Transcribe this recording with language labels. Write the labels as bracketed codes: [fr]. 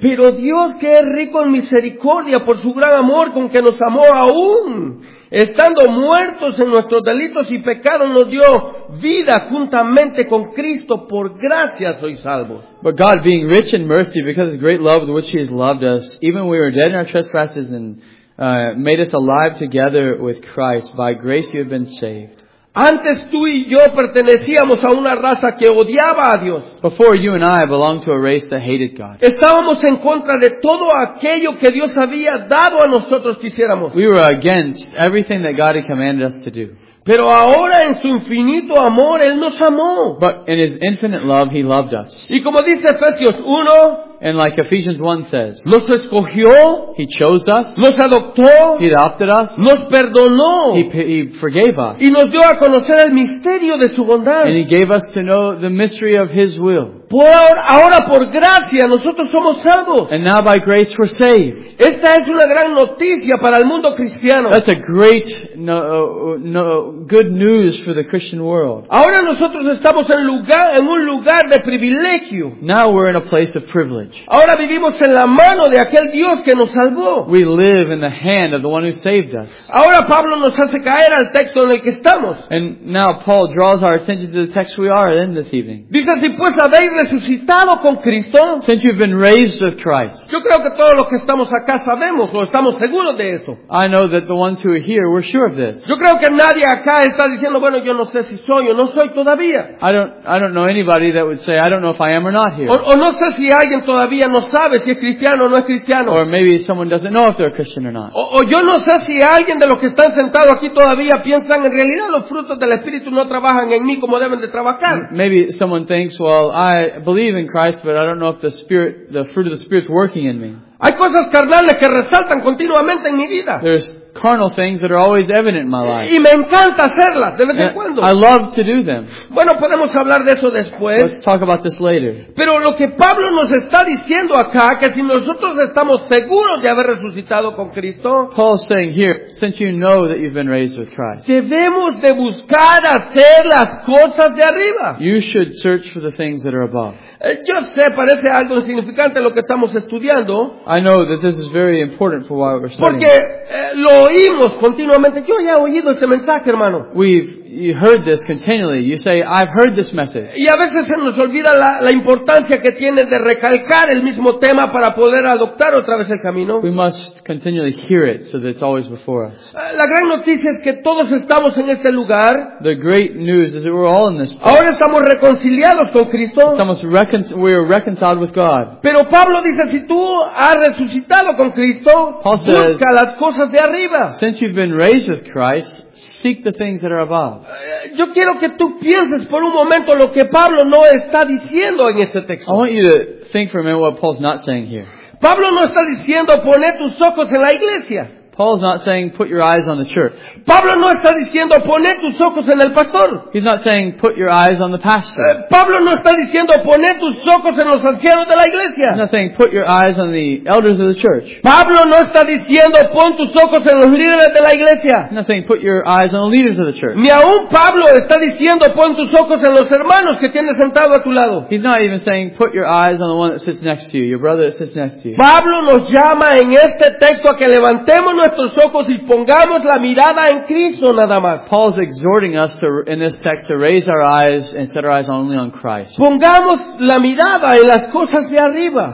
[es] Pero Dios, que es rico en misericordia por su gran amor con que nos amó, aún estando muertos en nuestros delitos y pecados, nos dio vida juntamente con Cristo. Por gracia soy salvo. [en] But God, being rich in mercy, because of his great love with which he has loved us, even we were dead in our trespasses and made us alive together with Christ. By grace you have been saved. [es] Antes tú y yo pertenecíamos a una raza que odiaba a Dios. [en] Before, you and I belonged to a race that hated God. [es] Estábamos en contra de todo aquello que Dios había dado a nosotros que hiciéramos. [en] We were against everything that God had commanded us to do. [es] Pero ahora en su infinito amor, Él nos amó. [en] But in his infinite love, he loved us. [es] Y como dice Efesios 1, [en] and like Ephesians 1 says, [es] nos escogió, [en] he chose us, [es] nos adoptó, [en] he adopted us, [es] nos perdonó, [en] he forgave us, [es] y nos dio a conocer el misterio de su bondad. [en] And he gave us to know the mystery of his will. [es] Ahora por gracia nosotros somos salvos. [en] And now by grace we're saved. [es] Esta es una gran noticia para el mundo cristiano. [en] That's a great good news for the Christian world. [es] Ahora nosotros estamos en un lugar de privilegio. [en] Now we're in a place of privilege. [es] Ahora vivimos en la mano de aquel Dios que nos salvó. [en] We live in the hand of the one who saved us. [es] Ahora Pablo nos hace caer al texto en el que estamos. [en] And now Paul draws our attention to the text we are in this evening. [es] Dice, si pues habéis resucitado con Cristo, [en] since you've been raised with Christ, [es] yo creo que todos los que estamos acá sabemos o estamos seguros de esto. [en] I know that the ones who are here, we're sure of this. [es] Yo creo que nadie acá está diciendo, bueno, yo no sé si soy o no soy todavía. [en] I don't know anybody that would say, I don't know if I am or not here. [es] O no sé si alguien todavía no sabe si es cristiano o no es cristiano. [en] Or maybe someone doesn't know if they're a Christian or not. [es] O yo no sé si alguien de los que están sentados aquí todavía piensan, en realidad los frutos del Espíritu no trabajan en mí como deben de trabajar. [en] Maybe someone thinks, well, I believe in Christ, but I don't know if the fruit of the Spirit is working in me. [es] Hay cosas carnales que resaltan continuamente en mi vida. [en] There's carnal things that are always evident in my life. [es] Y me encanta hacerlas de vez en cuando. [en] I love to do them. [es] Bueno, podemos hablar de eso después. [en] Let's talk about this later. [es] Pero lo que Pablo nos está diciendo acá, que si nosotros estamos seguros de haber resucitado con Cristo, [en] Paul's saying here, since you know that you've been raised with Christ, [es] debemos de buscar hacer las cosas de arriba. [en] You should search for the things that are above. [es] Yo sé, parece algo insignificante lo que estamos estudiando. [en] I know that this is very important for why we're studying. [es] Porque lo oímos continuamente. Yo ya he oído ese mensaje, hermano. [en] You heard this continually. You say, I've heard this message. [es] Y a veces se nos olvida la importancia que tiene de recalcar el mismo tema para poder adoptar otra vez el camino. [en] We must continually hear it so that it's always before us. [es] La gran noticia es que todos estamos en este lugar. [en] The great news is that we're all in this place. [es] Ahora estamos reconciliados con Cristo. [en] We're reconciled with God. [es] Pero Pablo dice, si tú has resucitado con Cristo, [en] Paul says, [es] busca las cosas de arriba. [en] Since you've been raised with Christ, seek the things that are above. [es] Yo quiero que tú pienses por un momento lo que Pablo no está diciendo en este texto. [en] I want you to think for a minute what Paul's not saying here. [es] Pablo no está diciendo poner tus ojos en la iglesia. [en] Paul's not saying put your eyes on the church. [es] Pablo no está diciendo poner tus ojos en el pastor. [en] He's not saying put your eyes on the pastor. [es] Pablo no está diciendo poner tus ojos en los ancianos de la iglesia. [en] He's not saying put your eyes on the elders of the church. [es] Pablo no está diciendo pon tus ojos en los líderes de la iglesia. [en] He's not saying put your eyes on the leaders of the church. [es] Ni aun Pablo está diciendo pon tus ojos en los hermanos que tienes sentado a tu lado. [en] He's not even saying put your eyes on the one that sits next to you, your brother that sits next to you. [es] Pablo nos llama en este texto a que levantemos nuestros ojos y pongamos la mirada en Cristo nada más. [en] Paul's exhorting us to, in this text, to raise our eyes and set our eyes only on Christ. [es] Pongamos la mirada en las cosas de arriba.